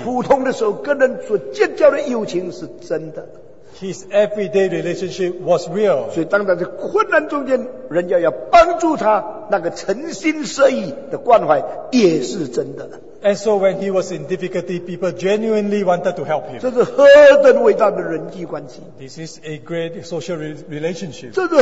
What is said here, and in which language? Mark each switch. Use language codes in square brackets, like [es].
[zh] 他普通的时候跟人所建交的友情是真的。 [en] His everyday relationship was real. [zh] 所以当然在困难中间，人家要帮助他。那个诚心设意的关怀也是真的。 [en] And so when he was in difficulty, people genuinely wanted to help him. [zh] 这是何等伟大的人际关系。 [en] This is a great social relationship.